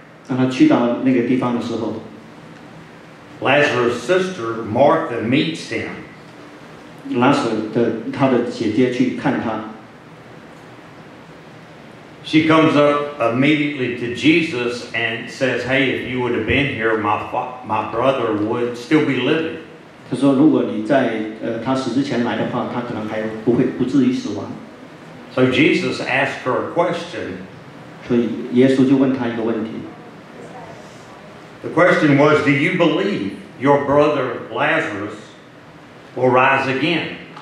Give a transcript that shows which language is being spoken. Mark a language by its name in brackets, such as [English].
[Chinese] 当他去到那个地方的时候， [English] Lazarus' sister Martha meets him. [Chinese] 拉索的他的姐姐去看他。 [English] She comes up immediately to Jesus and says, hey, if you would have been here, my brother would still be living. [Chinese] 他说如果你在他死之前来的话，他可能还不至于死亡。 [English] So Jesus asked her a question. [Chinese] 所以耶稣就问他一个问题。 [English] The question was, do you believe your brother Lazarus will rise again?